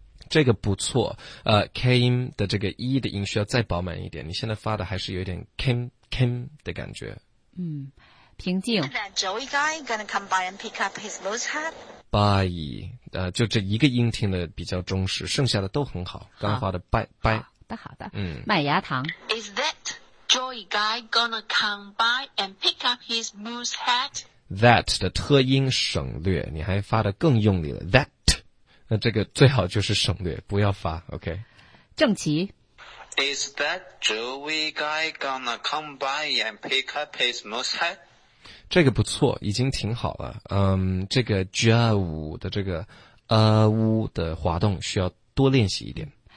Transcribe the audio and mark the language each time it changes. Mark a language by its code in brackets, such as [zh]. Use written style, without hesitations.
[zh] 这个不错，came 的这个一的音需要再饱满一点，你现在发的还是有点 came 的感觉。嗯。平静。 [en] Joey guy gonna come by and pick up his loose hat. [zh] By， 就这一个音听的比较忠实，剩下的都很好。刚发的 by。好的，好的。嗯。麦芽糖。 [en] Is that Joey guy gonna come by and pick up his moose hat? [zh] That 的特音省略，你还发的更用力了。 That， 那这个最好就是省略，不要发。OK。正奇。 [en] Is that Joey guy gonna come by and pick up his moose hat? [zh] 这个不错，已经挺好了。嗯，这个 Joe 的这个屋的滑动需要多练习一点。